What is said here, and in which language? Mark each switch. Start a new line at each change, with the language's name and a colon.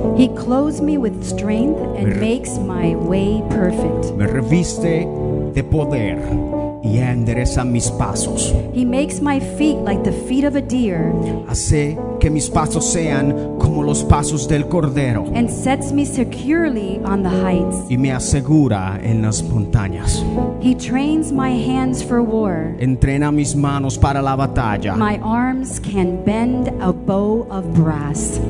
English: he clothes me with strength and makes my way perfect.
Spanish: Me reviste de poder y endereza mis pasos.
English: He makes my feet like the feet of a deer.
Spanish: Hace que mis pasos sean como los pasos del cordero.
English: And sets me securely on the heights.
Spanish: Y me asegura en las montañas.
English: He trains my hands for war.
Spanish: Entrena mis manos para la batalla.
English: My arms can bend a bow of brass.